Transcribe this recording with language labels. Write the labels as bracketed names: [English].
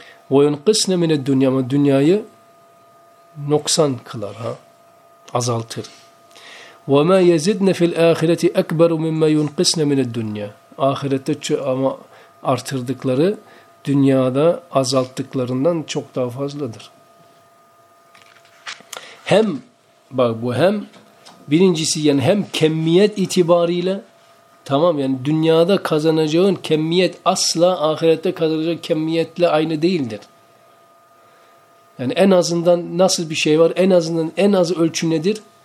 [Arabic] وَيُنْقِسْنَ مِنَ الدُّنْيَا [Turkish] Ama dünyayı noksan kılar, azaltır. [Arabic] وَمَا يَزِدْنَ فِي الْآخِرَةِ اَكْبَرُ مِمَّا يُنْقِسْنَ مِنَ الدُّنْيَا [Turkish] Ahirette ama artırdıkları, dünyada azalttıklarından çok daha fazladır. Hem, bak bu hem, birincisi yani hem kemmiyet itibariyle, tamam yani dünyada kazanacağın kemmiyet asla ahirette kazanacağın kemmiyetle aynı değildir. Yani en azından nasıl bir şey var? En azından en az ölçü nedir?